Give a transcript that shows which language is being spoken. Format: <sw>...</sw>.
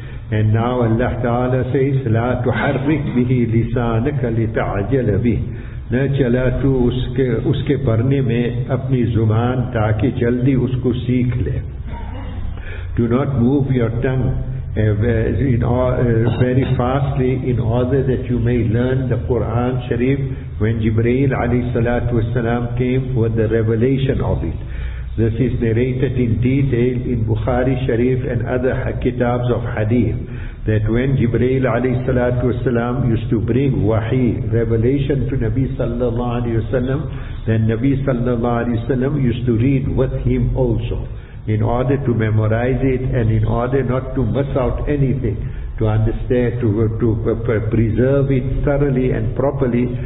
<en>And now Allah Ta'ala says,</en> <ar>لا تحرك به لسانك لتعجل به.</ar> <ur>نا چلا تو اس کے پڑھنے میں اپنی زبان تاکہ جلدی اس کو سیکھ لے.</ur> <en>Do not move your tongue very fastly in order that you may learn the Quran Sharif when Jibreel alayhi salatu wasalam came with the revelation of it. This is narrated in detail in Bukhari Sharif and other kitabs of hadith, that when Jibreel alayhi salatu wasalam used to bring wahi, revelation to Nabi sallallahu alayhi wasalam, then Nabi sallallahu alayhi wasalam used to read with him also, in order to memorize it and in order not to miss out anything, to understand, to preserve it thoroughly and properly.</en>